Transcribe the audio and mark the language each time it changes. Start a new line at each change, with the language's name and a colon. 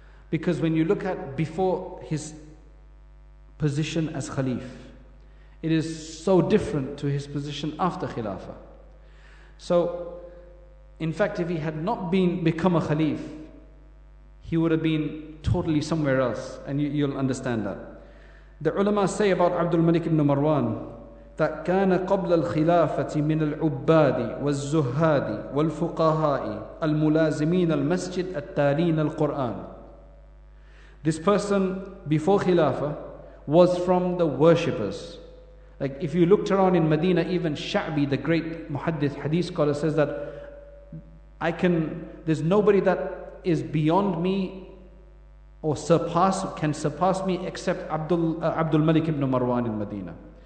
English: Because when you look at before his position as Khalif, it is so different to his position after Khilafah. So, in fact, if he had not become a Khalif, he would have been totally somewhere else. And you'll understand that. The ulama say about Abdul Malik ibn Marwan, that
Arabic: كان قبل الخلافة من العباد والزهاد والفقهاء الملازمين المسجد التالين القرآن.
English: This person before Khilafah was from the worshippers. Like if you looked around in Medina, even Sha'bi, the great muhaddith, hadith scholar, says that there's nobody that is beyond me or can surpass me except Abdul Malik ibn Marwan in Medina.